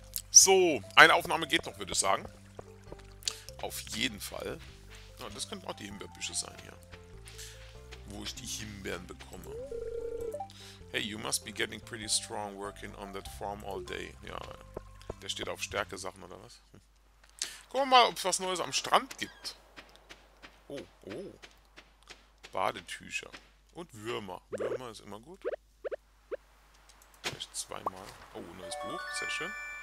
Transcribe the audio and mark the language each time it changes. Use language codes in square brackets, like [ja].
[de] So, eine Aufnahme geht noch, würde ich sagen. Auf jeden Fall. Ja, das könnten auch die Himbeerbüsche sein hier. Wo ich die Himbeeren bekomme. [en] Hey, you must be getting pretty strong working on that farm all day. [de] Ja, der steht auf Stärke-Sachen oder was? Gucken wir mal, ob es was Neues am Strand gibt. Oh. Badetücher. Und Würmer. Würmer ist immer gut. Vielleicht zweimal. Oh, neues Buch. Sehr schön.